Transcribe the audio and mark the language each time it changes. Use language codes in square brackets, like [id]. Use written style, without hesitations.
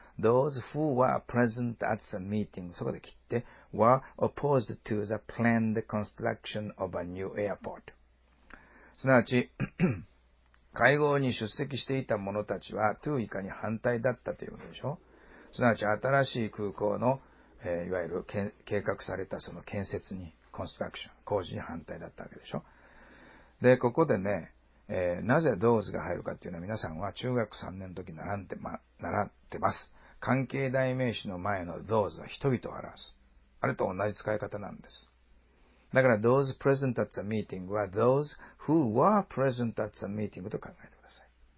[en] those who were present at the meeting、 [ja] そこで切って、 [en] were opposed to the planned construction of a new airport。 [ja] すなわち、会合に出席していた者たちは、to 以下に反対だったということでしょ。すなわち、新しい空港の、いわゆる計画されたその建設に、コンストラクション、工事に反対だったわけでしょ。で、ここでね、なぜ those が入るかっていうのは、皆さんは中学3年の時に習ってます。関係代名詞の前の those は人々を表す。あれと同じ使い方なんです。だから、 [en] those present at the meeting [ja] は [en] those who were present at the meeting [ja] と考えてください。